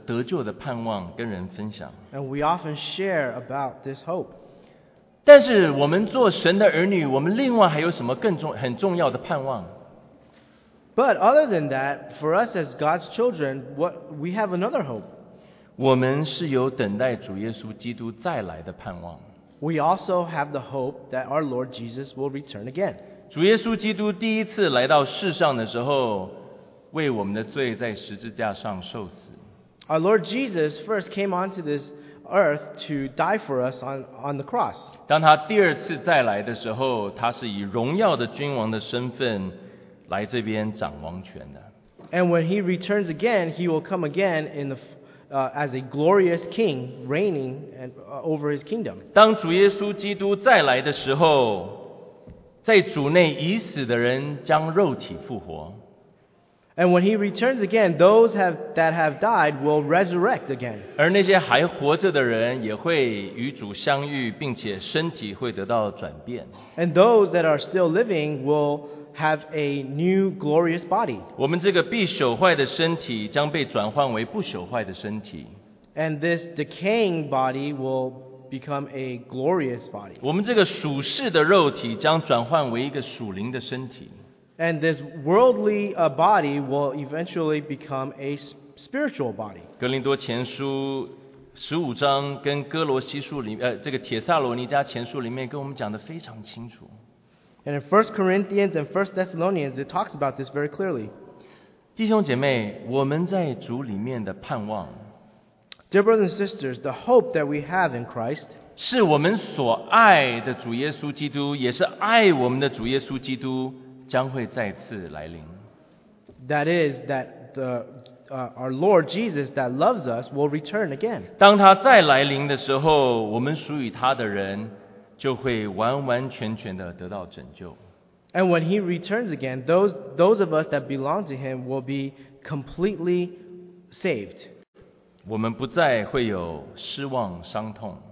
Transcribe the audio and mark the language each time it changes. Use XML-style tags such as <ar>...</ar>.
<zh>我们多半会把这个得救的盼望跟人分享。</zh> <en>And we often share about this hope.</en> <zh>但是我们做神的儿女, 我们另外还有什么更重要的盼望?</zh> <en>But other than that, for us as God's children, we have another hope.</en> <zh>我们是有等待主耶稣基督再来的盼望。</zh> <en>We also have the hope that our Lord Jesus will return again.</en> <zh>主耶稣基督第一次来到世上的时候，为我们的罪在十字架上受死。</zh> <en>Our Lord Jesus first came onto this earth to die for us on the cross.</en> <zh>当他第二次再来的时候，他是以荣耀的君王的身份来这边掌王权的。</zh> <en>And when he returns again, he will come again in the as a glorious king reigning and, over his kingdom.</en> <zh>当主耶稣基督再来的时候，在主内已死的人将肉体复活。</zh> <en>And when he returns again, those that have died will resurrect again.</en> <zh>而那些还活着的人也会与主相遇，并且身体会得到转变。</zh> <en>And those that are still living will have a new glorious body.</en> <zh>我们这个必朽坏的身体将被转换为不朽坏的身体。</zh> <en>And this decaying body will become a glorious body.</en> <zh>我们这个属世的肉体将转换为一个属灵的身体。</zh> <en>And this worldly body will eventually become a spiritual body.</en> <zh>哥林多前书十五章跟哥罗西书里这个帖撒罗尼迦前书里面跟我们讲的非常清楚。</zh> <en>And in 1 Corinthians and 1 Thessalonians, it talks about this very clearly.</en> <zh>弟兄姐妹，我们在主里面的盼望。</zh> <en>Dear brothers and sisters, the hope that we have in Christ</en> <zh>是我们所爱的主耶稣基督，也是爱我们的主耶稣基督将会再次来临。</zh> <en>That is that our Lord Jesus that loves us will return again.</en> <zh>当他再来临的时候，我们属于他的人就会完完全全的得到拯救。</zh> <en>And when he returns again, those of us that belong to him will be completely saved.</en> <zh>我们不再会有失望伤痛。</zh>